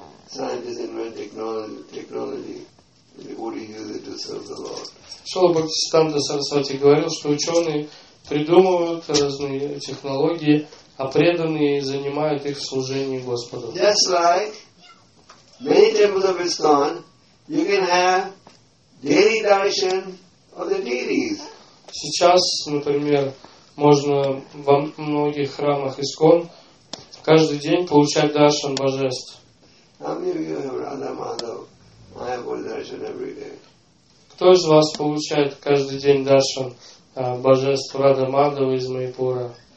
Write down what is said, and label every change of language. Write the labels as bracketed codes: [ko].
[ru] Шрила Бхактисиддханта Сарасвати говорил, что ученые придумывают разные технологии, а преданные занимают их в служении Господу. [en] Just like many temples of ISKCON, you can have daily darshan of the deities. [ru] Сейчас, например, можно во многих храмах ИСКОН каждый день получать даршан божеств. Кто из вас получает каждый день даршан божеств Рада Мадхава из Майпура?